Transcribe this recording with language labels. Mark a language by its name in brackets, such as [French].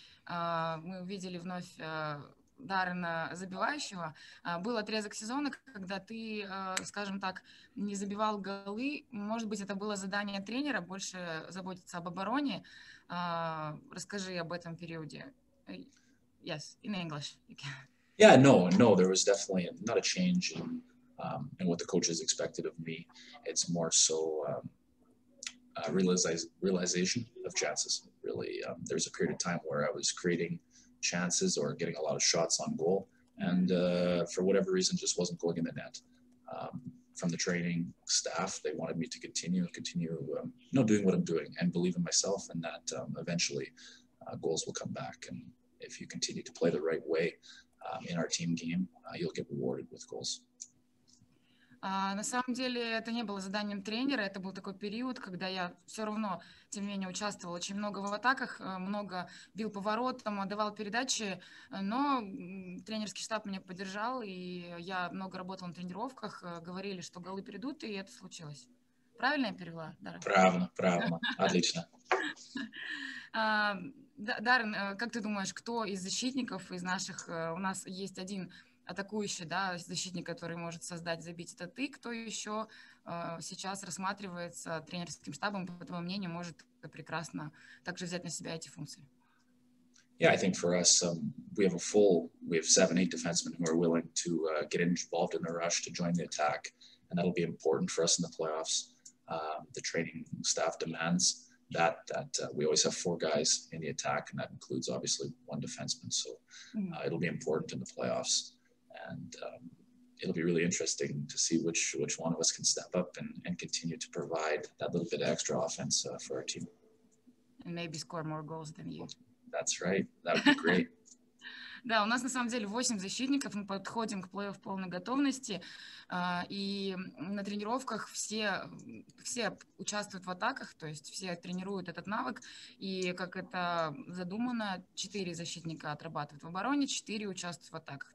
[Russian] Мы увидели вновь Даррена забивающего. Был отрезок сезона, когда ты, скажем так, не забивал голы. Может быть, это было задание тренера больше заботиться об обороне. Расскажи об этом периоде. [English] Yes, in English. Yeah, no, there was definitely not a change in what the coaches expected of me. It's more so a realization of chances. Really, there was a period of time where I was creating chances or getting a lot of shots on goal, and for whatever reason just wasn't going in the net. From the training staff, they wanted me to continue doing what I'm doing and believe in myself, and that eventually goals will come back, and if you continue to play the right way in our team game, you'll get rewarded with goals. [Russian] На самом деле это не было заданием тренера, это был такой период, когда я все равно, тем не менее, участвовала очень много в атаках, много бил поворотом, отдавал передачи, но тренерский штаб меня поддержал, и я много работала на тренировках, говорили, что голы придут, и это случилось. Правильно я перевела, Дарин? Правильно, правильно, отлично. Дарин, как ты думаешь, кто из защитников, из наших, у нас есть один атакующий, да, защитник, который может создать, забить, это ты, кто еще сейчас рассматривается тренерским штабом, по твоему мнению, может прекрасно также взять на себя эти функции? [English] Yeah, I think for us, we have 7-8 defensemen who are willing to get involved in the rush to join the attack, and that'll be important for us in the playoffs. The training staff demands that we always have 4 guys in the attack, and that includes obviously 1 defenseman, so it'll be important in the playoffs. And it'll be really interesting to see which one of us can step up and continue to provide that little bit of extra offense for our team. And maybe score more goals than you. That's right. That would be great. [Russian] Да, у нас на самом деле 8 защитников, мы подходим к плей-офф в полной готовности, и на тренировках все участвуют в атаках, то есть все тренируют этот навык, и как это задумано, 4 защитника отрабатывают в обороне, 4 участвуют в атаках.